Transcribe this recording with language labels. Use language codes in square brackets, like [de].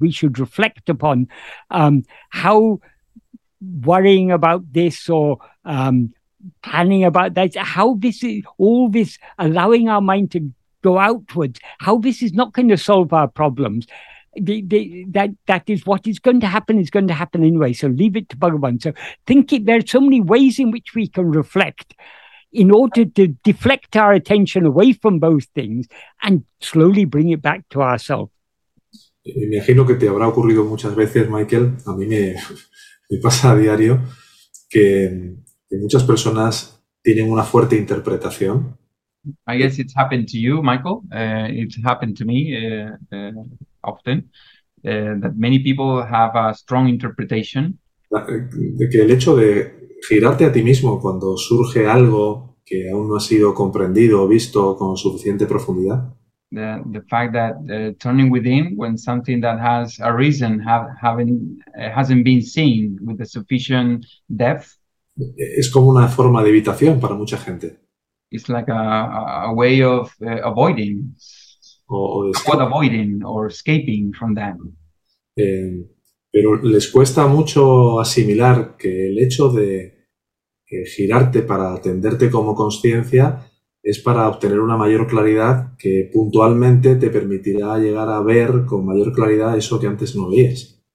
[en] We should reflect upon how worrying about this or planning about that, how this is all this allowing our mind to go outwards, how this is not going to solve our problems. That is what is going to happen is going to happen anyway. So leave it to Bhagavan. So think it. There are so many ways in which we can reflect in order to deflect our attention away from both things and slowly bring it back to ourselves. [es] Me imagino que te habrá ocurrido muchas veces, Michael, a mí me pasa a diario, que muchas personas tienen una fuerte interpretación. [en] I guess it's happened to you, Michael. It's happened to me often, that many people have a strong interpretation. [es] De que el hecho de girarte a ti mismo cuando surge algo que aún no ha sido comprendido o visto con suficiente profundidad. [en] The fact that turning within when something that has arisen hasn't been seen with the sufficient depth. [es] Es como una forma de evitación para mucha gente. [en] It's like a way of avoiding. Or avoiding or escaping from that. [es] Pero les cuesta mucho asimilar que el hecho de girarte para atenderte como consciencia es para obtener una mayor claridad que puntualmente te permitirá llegar a ver con mayor claridad eso que antes no veías.